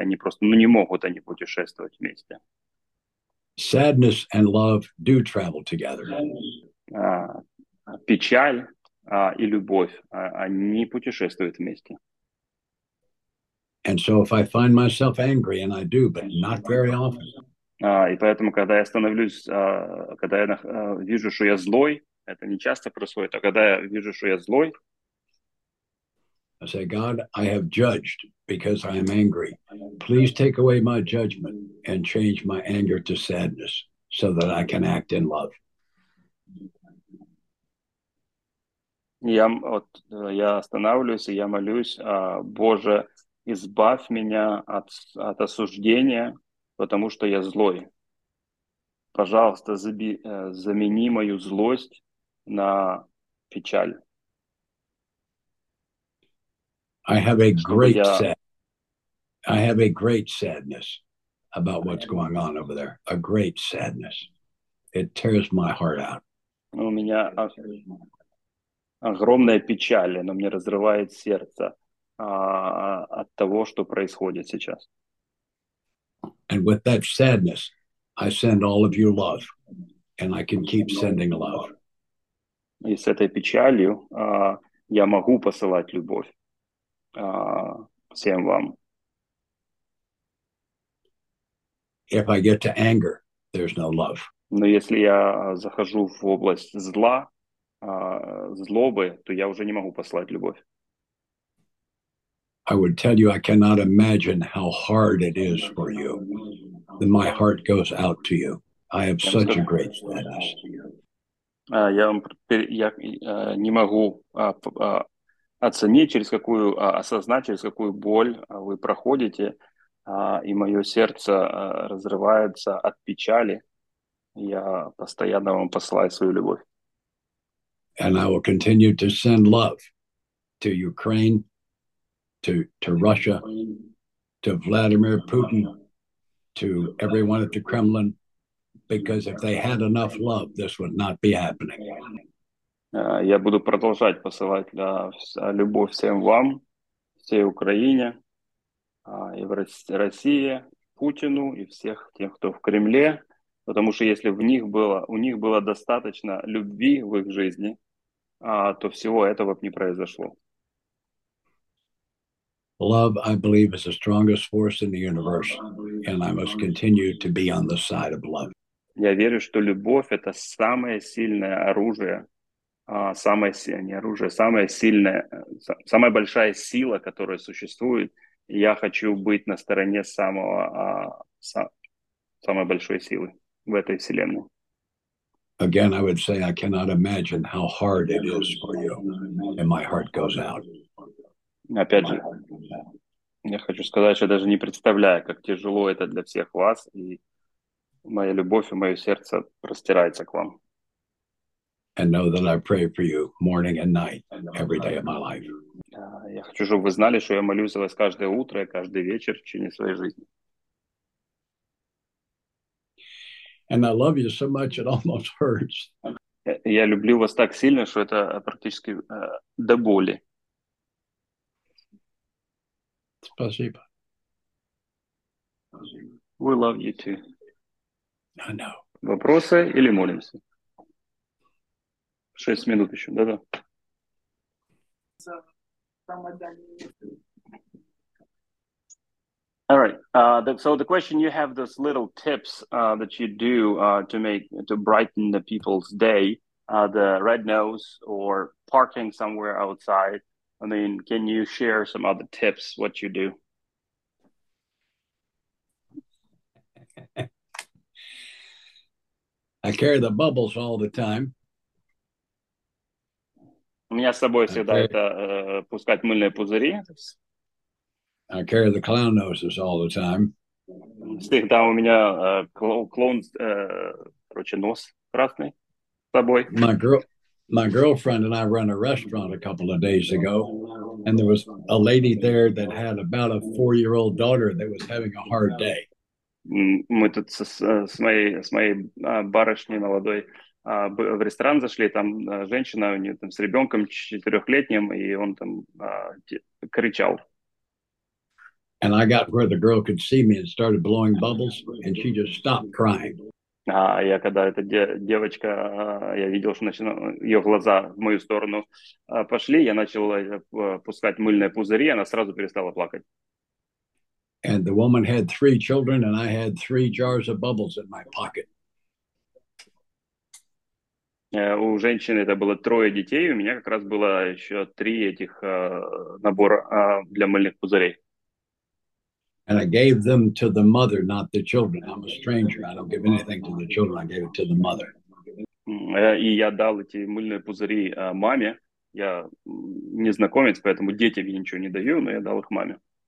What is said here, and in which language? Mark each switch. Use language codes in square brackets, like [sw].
[ru] Они просто, ну, не могут они путешествовать вместе. [en] Sadness and love do travel together. [ru] Печаль и любовь, они путешествуют вместе. [en] And so if I find myself angry, and I do, but not very often. [ru] И поэтому, когда я становлюсь, когда я вижу, что я злой, это не часто происходит, а когда я вижу, что я злой, [en] I say, God, I have judged because I am angry. Please take away my judgment and change my anger to sadness so that I can act in love. [ru] Я останавливаюсь и я молюсь, Боже, избавь меня от осуждения, потому что я злой. Пожалуйста, замени мою злость на печаль. [en] I have a great sadness about what's going on over there. A great sadness. It tears my heart out. [ru] У меня огромная печаль, но мне разрывает сердце от того, что происходит сейчас. [en] And with that sadness, I send all of you love, and I can keep sending love. [ru] И с этой печалью я могу посылать любовь. Всем вам. [en] If I get to anger, there's no love. [ru] Но если я захожу в область зла, злобы, то я уже не могу послать любовь. [en] I would tell you I cannot imagine how hard it is for you. Then my heart goes out to you. I have such a great sadness. [ru] Оценить, через какую, осознать, через какую боль вы проходите, и мое сердце разрывается от печали. Я постоянно вам посылаю свою любовь. [en] And I will continue to send love to Ukraine, to Russia, to Vladimir Putin, to everyone at the Kremlin, because if they had enough love, this would not be happening. [ru] Я буду продолжать посылать любовь всем вам, всей Украине, и в России, Путину и всех тех, кто в Кремле, потому что если в них было, у них было достаточно любви в их жизни, то всего этого бы не произошло. [en] Love, I believe, is the strongest force in the universe, and I must continue to be on the side of love. [ru] Я верю, что любовь — это самое сильное оружие. Самая большая сила, которая существует. Я хочу быть на стороне самой большой силы в этой вселенной. [en] Again, I would say I cannot imagine how hard it is for you, and my heart goes out. [ru] Опять же, я хочу сказать, что даже не представляю, как тяжело это для всех вас, и моя любовь и мое сердце простирается к вам. [en] And know that I pray for you morning and night, every day of my life. [ru] Я хочу, чтобы вы знали, что я молюсь за вас каждое утро и каждый вечер в течение своей жизни. [en] And I love you so much it almost hurts. [ru] Я люблю вас так сильно, что это практически до боли. Спасибо. [en] We love you too. I know. [ru] Вопросы или молимся? 6 минут еще, да-да. [en] All right. So the question, you have those little tips that you do to brighten the people's day, the red nose or parking somewhere outside. I mean, can you share some other tips, what you do? I carry the bubbles all the time. [ru] У меня с собой всегда это пускать мыльные пузыри. [en] I carry the clown noses all the time. [ru] Всегда у меня клоун, короче, нос красный с собой. [en] My girlfriend and I run a restaurant a couple of days ago, and there was a lady there that had about a 4-year-old daughter that was having a hard day. [ru] мы тут с моей барышней молодой в ресторан зашли, там женщина у нее там с ребенком 4-летним, и он там кричал. [en] And I got where the girl could see me and started blowing bubbles, and she just stopped crying. [ru] А я когда эта девочка, я видел, что ее глаза в мою сторону пошли, я начал пускать мыльные пузыри, она сразу перестала плакать. [en] And the woman had three children, and I had three jars of bubbles in my pocket. [ru] У женщины это было трое детей, у меня как раз было еще три этих набора для мыльных пузырей. [en] And I gave them to the mother, not the children. I'm a stranger. I don't give anything to the children. I gave it to the mother. [ru] И я дал эти мыльные пузыри маме. Я незнакомец, поэтому детям я ничего не даю, но я дал их маме.